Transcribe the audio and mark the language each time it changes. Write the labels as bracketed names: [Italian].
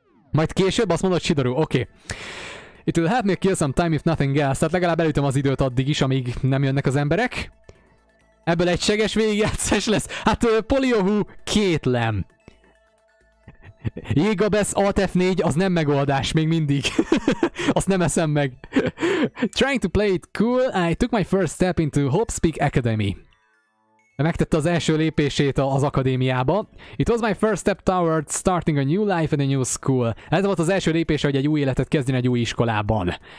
[Hungarian] Majd később azt mondod, Sidoru, oké. [English] Okay. It will help me kill some time if nothing else. [Hungarian] Tehát legalább elütöm az időt addig is, amíg nem jönnek az emberek. Ebből egységes végigjátszás lesz. Hát Polyohu, kétlem. Jégabesz Alt-F4, az nem megoldás, még mindig. Azt nem eszem meg. [English] Trying to play it cool, I took my first step into Hopespeak Academy. [Hungarian] megtette az első lépését az akadémiába. [English] It was my first step towards starting a new life in a new school. [Hungarian] Ez volt az első lépése, hogy egy új életet kezdjen egy új iskolában.